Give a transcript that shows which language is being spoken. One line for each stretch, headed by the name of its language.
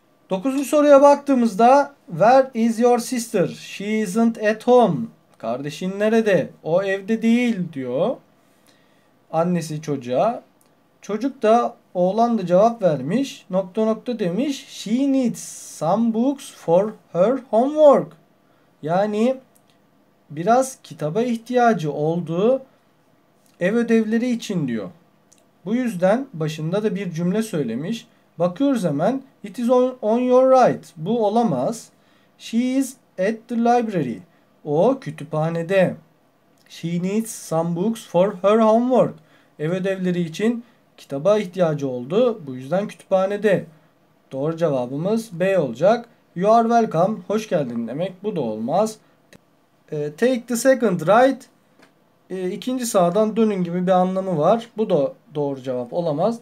Turkish: Dokuzuncu soruya baktığımızda
English: Where is your sister? She isn't at home.
Turkish: Kardeşin nerede? O evde değil diyor. Annesi çocuğa. Çocuk da oğlan da cevap vermiş. Nokta nokta demiş.
English: She needs some books for her homework.
Turkish: Yani biraz kitaba ihtiyacı olduğu ev ödevleri için diyor. Bu yüzden başında da bir cümle söylemiş. Bakıyoruz hemen.
English: It is on your right.
Turkish: Bu olamaz.
English: She is at the library.
Turkish: O kütüphanede.
English: She needs some books for her homework.
Turkish: Ev ödevleri için kitaba ihtiyacı oldu. Bu yüzden kütüphanede. Doğru cevabımız B olacak.
English: You are welcome.
Turkish: Hoş geldin demek. Bu da olmaz.
English: Take the second right.
Turkish: İkinci sağdan dönün gibi bir anlamı var. Bu da doğru cevap olamaz.